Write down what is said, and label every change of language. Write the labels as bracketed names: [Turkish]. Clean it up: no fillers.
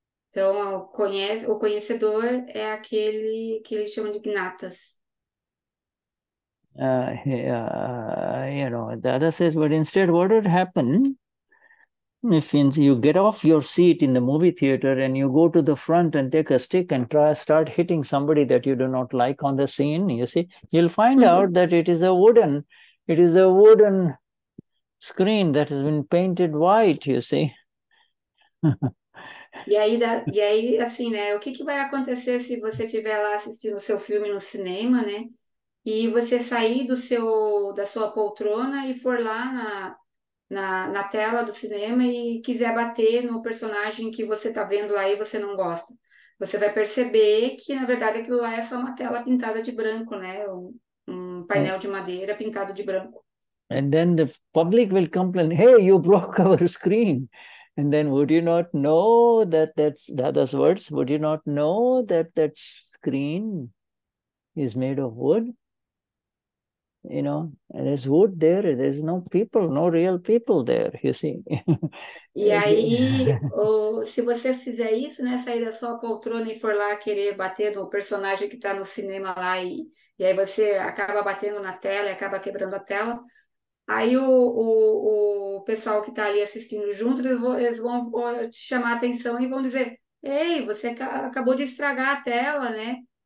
[Portuguese] Então, o conhecedor é aquele que eles chamam de gnatas. [English] You know, Dada says, but instead, what would happen if you get off your seat in the movie theater and you go to the front and take a stick and try start hitting somebody that you do not like on the scene, you see? You'll find out that it is a wooden... It is a wooden screen that has been painted white, you see. [Portuguese] E aí, assim, né? O que, que vai acontecer se você estiver lá assistindo o seu filme no cinema, né? E você sair do seu, da sua poltrona e for lá na tela do cinema e quiser bater no personagem que você está vendo lá e você não gosta? Você vai perceber que, na verdade, aquilo lá é só uma tela pintada de branco, né? Um painel de madeira pintado de branco. [English] And then the public will complain, hey, you broke our screen. And then would you not know that that's Dada's words? Would you not know that that screen is made of wood? You know, and there's wood there. There's no people, no real people there, you see. [Portuguese] E aí, se você fizer isso, né, sair da sua poltrona e for lá querer bater no personagem que está no cinema lá e aí você acaba batendo na tela e acaba quebrando a tela, aí o pessoal que está ali assistindo junto, eles vão te chamar a atenção e vão dizer, ei, você acabou de estragar a tela, né?